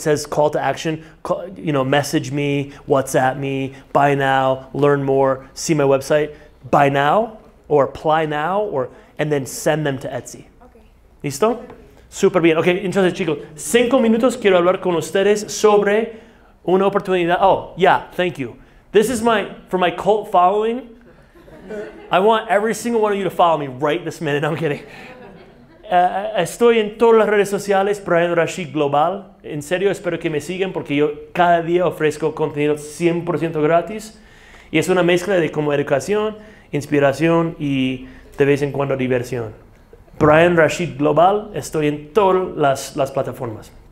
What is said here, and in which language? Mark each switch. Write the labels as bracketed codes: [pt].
[en] Says call to action, call, you know, message me, WhatsApp me, Buy Now, learn more, see my website, Buy Now or Apply Now or and then send them to Etsy. Okay. [es] ¿Listo? Súper bien. Ok, entonces chicos, 5 minutos quiero hablar con ustedes sobre una oportunidad. [en] Oh, yeah, thank you. This is for my cult following. I want every single one of you to follow me right this minute. No, I'm kidding. [es] Estoy en todas las redes sociales, Brian Rashid Global. En serio, espero que me sigan porque yo cada día ofrezco contenido 100% gratis. Y es una mezcla de como educación, inspiración y de vez en cuando diversión. Brian Rashid Global, estoy en todas las plataformas.